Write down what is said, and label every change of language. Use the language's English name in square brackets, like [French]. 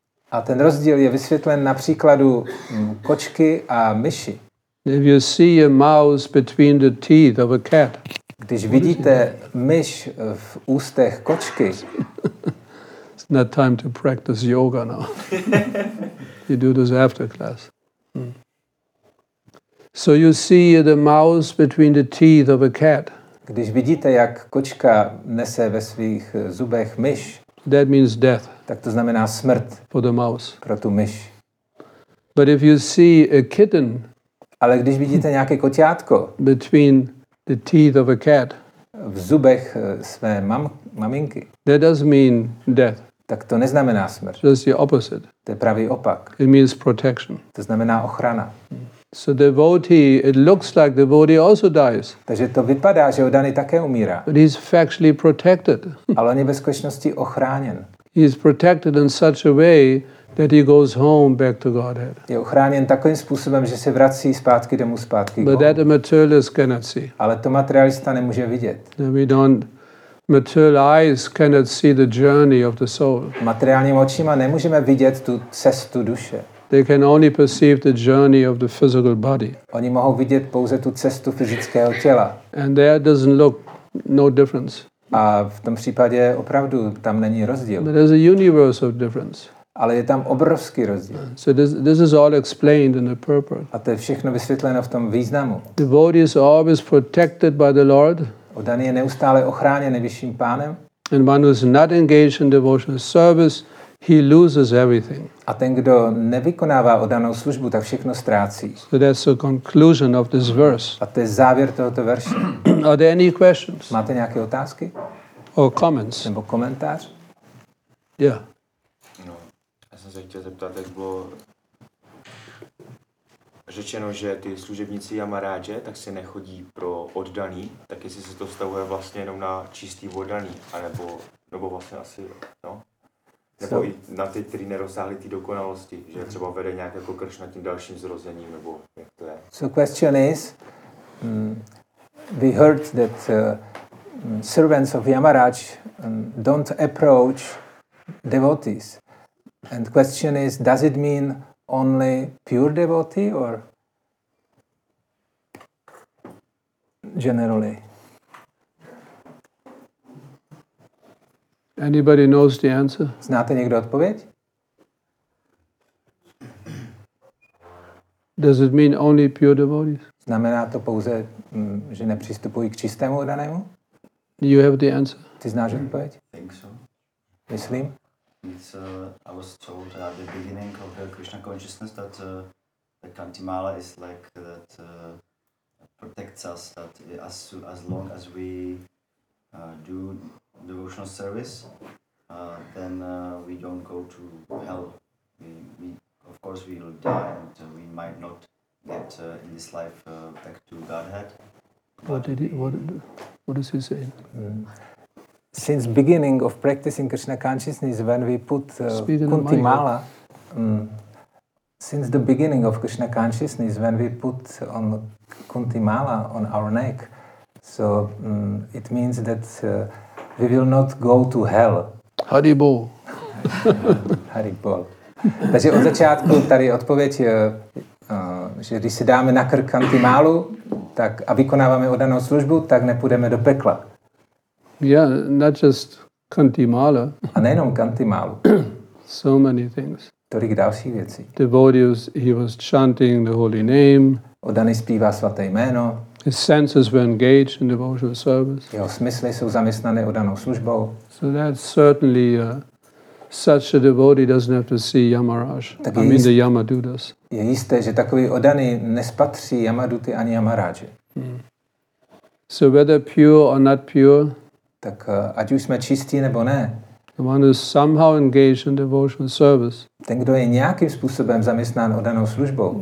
[Czech] A ten rozdíl je vysvětlen na příkladu kočky a myši. [English] If you see a mouse between the teeth of a cat. [Czech] Když vidíte myš v ústech kočky. [English] It's not time to practice yoga now. You do this after class. So you see the mouse between the teeth of a cat. [Czech] Když vidíte, jak kočka nese ve svých zubech myš. [English] That means death. [Czech] Tak to znamená smrt. [English] For the mouse. [Czech] Pro tu myš. [English] But if you see a kitten. [Czech] Ale když vidíte nějaké koťátko. [English] Between the teeth of a cat. [Czech] V zubech své maminky. [English] That does mean death. [Czech] Tak to neznamená smrt. [English] Just the opposite. [Czech] To je pravý opak. [English] It means protection. [Czech] To znamená ochrana. [English] So devotee, it looks like devotee also dies. [Czech] Takže to vypadá, že oddaný také umírá. [English] But he's factually protected. [Czech] Ale on je ve skutečnosti ochráněn. [English] He is protected in such a way that he goes home back to Godhead. [Czech] Je ochráněn takovým způsobem, že se vrací zpátky domů zpátky. [English] But that a materialist cannot see. [Czech] Ale to materialista nemůže vidět. [English] We don't. Material eyes cannot see the journey of the soul. [Czech] Materiálním očima nemůžeme vidět tu cestu duše. [English] They can only perceive the journey of the physical body. [Czech] Oni mohou vidět pouze tu cestu fyzického těla. [English] And there doesn't look no difference. [Czech] A v tom případě opravdu tam není rozdíl. [English] But there's a universe of difference. [Czech] Ale je tam obrovský rozdíl. [English] So this is all explained in the purport. [Czech] A to je všechno vysvětleno v tom významu. [English] The body is always protected by the Lord. [Czech] Oddaný je neustále ochráněn nejvyšším pánem. [English] And one who is not engaged in devotional service, he loses everything. [Czech] A ten, kdo nevykonává oddanou službu, tak všechno ztrácí. [English] So that's the conclusion of this verse. [Czech] A to je závěr tohoto verše. [English] Are there any questions? [Czech] Máte nějaké otázky? [English] Or comments? [Czech] Nebo komentář? [English] Yeah. [Czech] No, já jsem se chtěl zeptat, jak bylo řečeno, že ty služebníci Yamaráže tak si nechodí pro oddaný, tak jestli se to vztahuje vlastně jenom na čistý oddaný, anebo nebo vlastně asi, no? Nebo i na ty, kteří nerozsáhli ty dokonalosti, že třeba vede nějak jako Kršna tím dalším zrozením, nebo jak to je? [English] So question is, we heard that servants of Yamaraj don't approach devotees. And question is, does it mean only pure devotee or generally? Anybody knows the answer? [Czech] Znáte někdo odpověď? [English] Does it mean only pure devotees? [Czech] Znamená to pouze, že nepřistupují k čistému danému? [English] Do you have the answer? [Czech] Ty znáš odpověď? [English] Think so. [Czech] Myslím. [English] It's, I was told at the beginning of the Krishna consciousness that the Kantimala is like that protects us, that as long as we do devotional service, then we don't go to hell. We of course we will die, and we might not get in this life back to Godhead. What is he saying? Since beginning of practicing Krishna consciousness, when we put Kunti Mala, since the beginning of Krishna consciousness, when we put on Kunti Mala on our neck, so it means that we will not go to hell. [Sanskrit] Hari Bol. Hari Bol. [Czech] Takže od začátku tady odpověď je, že když si dáme na krk Kunti Malu, tak a vykonáváme oddanou službu, tak nepůjdeme do pekla. [English] Yeah, not just Kunti Mala. [Czech] A nejenom Kunti Malu. [English] So many things. [Czech] Tolik další věcí. [English] Devotee, he was chanting the holy name. [Czech] Oddaný zpívá svaté jméno. [English] His senses were engaged in devotional service. [Czech] Jeho smysly jsou zaměstnané oddanou službou. [English] So that's certainly such a devotee doesn't have to see Yamaraj. The Yamadutas. [Czech] Je jisté, že takový oddaný nespatří Yamaduty ani Yamaráže. [English] So whether pure or not pure, [Czech] tak ať už jsme čistí nebo ne. [English] The one is somehow engaged in devotional service. [Czech] Ten, kdo je nějakým způsobem zaměstnán oddanou službou.